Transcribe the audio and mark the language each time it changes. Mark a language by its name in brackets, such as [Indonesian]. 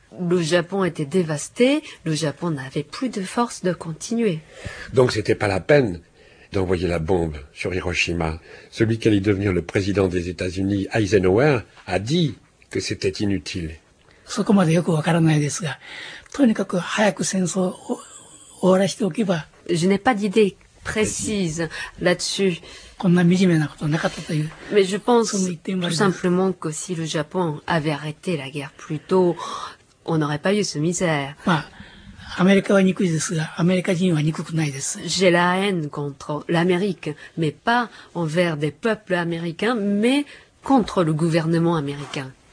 [French] Le Japon était dévasté, le Japon n'avait plus de force de continuer. Donc c'était pas la peine d'envoyer la bombe sur Hiroshima. Celui qui allait devenir le président des États-Unis, Eisenhower, a dit que c'était inutile. [Japanese] そこまでよくわからないですが、とにかく早く戦争を終わらせておけば。 [French] Je n'ai pas d'idée précise là-dessus. [Japanese] こんな惨めなことなかったという。 [French] Mais je pense tout simplement que si le Japon avait arrêté la guerre plus tôt, on n'aurait pas eu ce misère. [Japanese] まあアメリカは憎いですが、アメリカ人は憎くないです。 [French] J'ai la haine contre l'Amérique, mais pas envers des peuples américains, mais contre le gouvernement américain.